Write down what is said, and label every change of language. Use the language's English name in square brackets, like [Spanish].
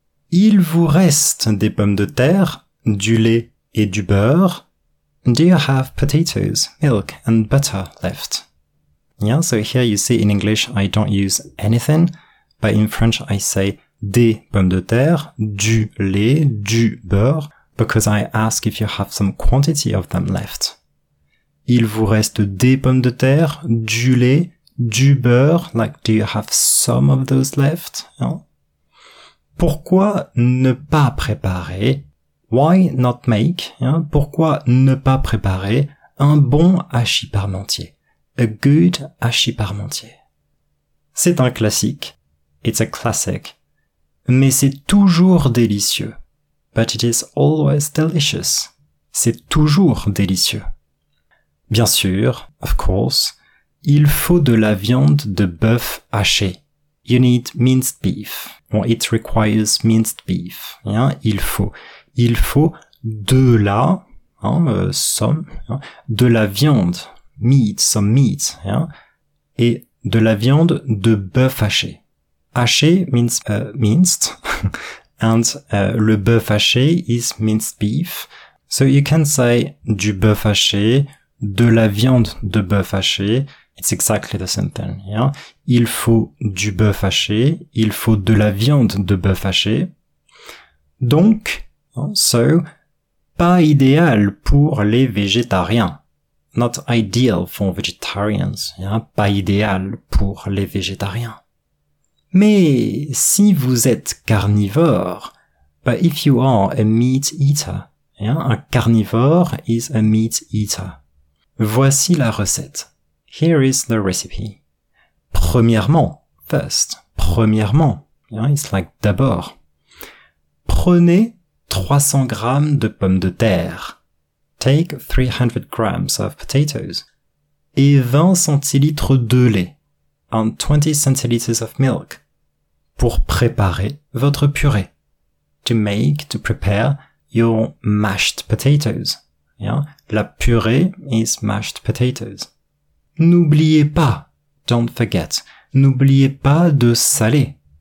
[French] Il vous reste des pommes de terre, du lait et du beurre. [English] Do you have potatoes, milk and butter left? Yeah, so here you see in English I don't use anything. But in French, I say [French] des pommes de terre, du lait, du beurre, [English] because I ask if you have some quantity of them left. [French] Il vous reste des pommes de terre, du lait, du beurre, [English] like do you have some of those left? [French] Hein? Pourquoi ne pas préparer, [English] why not make, [French] hein? Pourquoi ne pas préparer un bon hachis parmentier, a good hachis parmentier? C'est un classique. [English] It's a classic. [French] Mais c'est toujours délicieux. [English] But it is always delicious. [French] C'est toujours délicieux. Bien sûr, [English] of course, [French] il faut de la viande de bœuf haché. [English] You need minced beef. Or it requires minced beef. [French] Hein? Il faut. Il faut de la, hein, some, hein, de la viande, meat, some meat, hein, et de la viande de bœuf haché. [English] Haché means minced, and le bœuf haché is minced beef. So you can say du bœuf haché, [French] de la viande de bœuf haché. [English] It's exactly the same thing. Yeah? [French] Il faut du bœuf haché, il faut de la viande de bœuf haché. Donc, so, pas idéal pour les végétariens. [English] Not ideal for vegetarians. Yeah? [French] Pas idéal pour les végétariens. Mais si vous êtes carnivore, [English] but if you are a meat eater, yeah, un carnivore is a meat eater. [French] Voici la recette. [English] Here is the recipe. Premièrement, first, premièrement, yeah, it's like d'abord. [French] Prenez 300 grammes de pommes de terre. [English] Take 300 grams of potatoes. [French] Et 20 centilitres de lait. [English] And 20 centiliters of milk. [French] Pour préparer votre purée. [English] To make, to prepare your mashed potatoes. Yeah? La purée is mashed potatoes. [French] N'oubliez pas, [English] don't forget, [French] n'oubliez pas de saler.